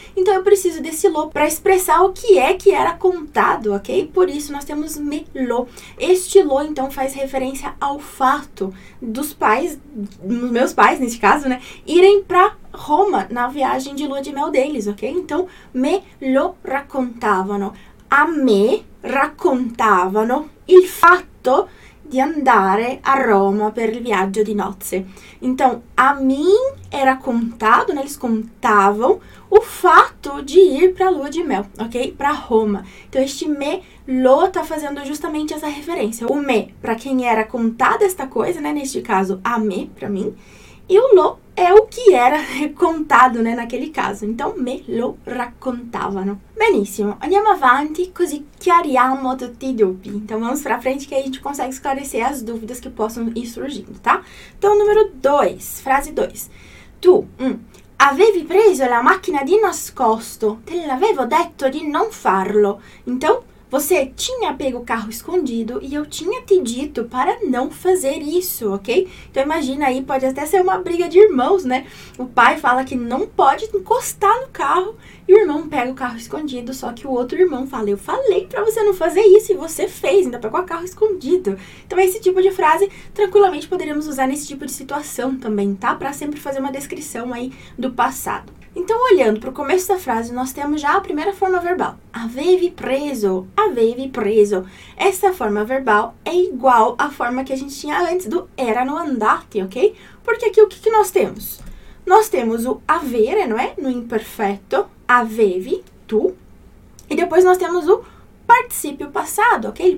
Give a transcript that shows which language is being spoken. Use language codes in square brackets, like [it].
[pt] Então, eu preciso desse lo para expressar o que é que era contado, ok? Por isso, nós temos melo. Este lo, então, faz referência ao fato dos pais, dos meus pais, nesse caso, né? Irem para Roma na viagem de lua de mel deles, ok? Então, [it] me lo raccontavano. A me raccontavano il fatto di andare a Roma per il viaggio di nozze. [pt] Então, a mim era contado, né? Eles contavam o fato de ir para a lua de mel, ok? Para Roma. Então, este me lo tá fazendo justamente essa referência. O me, para quem era contada esta coisa, né? Neste caso, a me, para mim. E o lo é o que era contado, né? Naquele caso. Então, [it] me lo raccontavano. Benissimo, andiamo avanti, così chiariamo tutti i dubbi. [pt] Então, vamos pra frente que a gente consegue esclarecer as dúvidas que possam ir surgindo, tá? Então, número 2, frase 2. [it] Tu, avevi preso la macchina di nascosto, te l'avevo detto di non farlo. [pt] Então, você tinha pego o carro escondido e eu tinha te dito para não fazer isso, ok? Então, imagina aí, pode até ser uma briga de irmãos, né? O pai fala que não pode encostar no carro e o irmão pega o carro escondido, só que o outro irmão fala, eu falei para você não fazer isso e você fez, ainda pegou o carro escondido. Então, esse tipo de frase, tranquilamente, poderíamos usar nesse tipo de situação também, tá? Para sempre fazer uma descrição aí do passado. Então, olhando para o começo da frase, nós temos já a primeira forma verbal. [it] Avevi preso, avevi preso. [pt] Essa forma verbal é igual à forma que a gente tinha antes do erano andati, ok? Porque aqui o que nós temos? Nós temos o avere, não é? No imperfeito, avevi, tu. E depois nós temos o participio passado, ok?